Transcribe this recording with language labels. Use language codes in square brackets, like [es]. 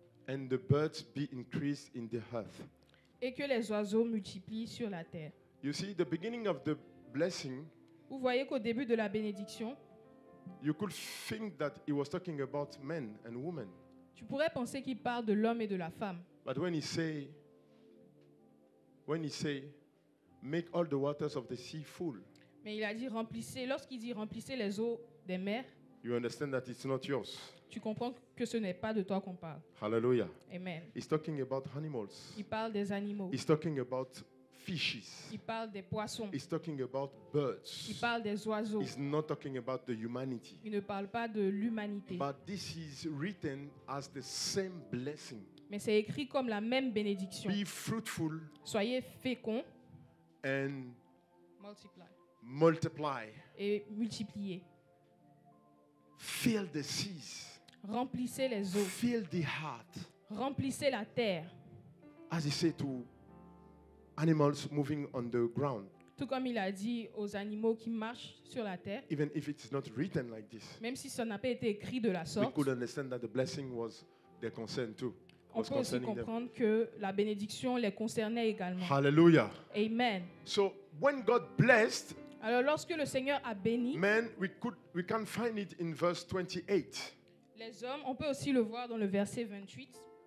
[en] And the birds be increased in the earth. [fr] Et que les oiseaux multiplient sur la terre. [en] You see the beginning of the blessing. [fr] Vous voyez qu'au début de la bénédiction. [en] You could think that he was talking about men and women. [fr] Tu pourrais penser qu'il parle de l'homme et de la femme. [en] But when he say make all the waters of the sea full. [fr] Mais il a dit remplissez lorsqu'il dit remplissez les eaux des mers. [en] You understand that it's not yours. [fr] Tu comprends que ce n'est pas de toi qu'on parle. [en] Hallelujah. Amen. He's talking about animals. [fr] Il parle des animaux. [en] He's talking about fishes. [fr] Il parle des poissons. [en] He's talking about birds. [fr] Il parle des oiseaux. [en] He's not talking about the humanity. [fr] Il ne parle pas de l'humanité. [en] But this is written as the same blessing. [fr] Mais c'est écrit comme la même bénédiction. [en] Be fruitful. [fr] Soyez fécond. [en] And multiply. Multiply. [fr] Et multipliez. [en] Fill the seas. [fr] Remplissez les eaux. [en] Fill the heart. [fr] Remplissez la terre. [en] As he said to animals moving on the ground. [fr] Tout comme il a dit aux animaux qui marchent sur la terre. [en] Even if it's not written like this. [fr] Même si ça n'a pas été écrit de la sorte. [en] We could understand that the blessing was their concern too. [fr] On peut aussi comprendre que la bénédiction les concernait également. [en] Hallelujah. Amen. So when God blessed. [fr] Alors lorsque le Seigneur a béni. [en] Man, we can find it in verse 28. [fr] Les hommes, on peut aussi le voir dans le verset 28.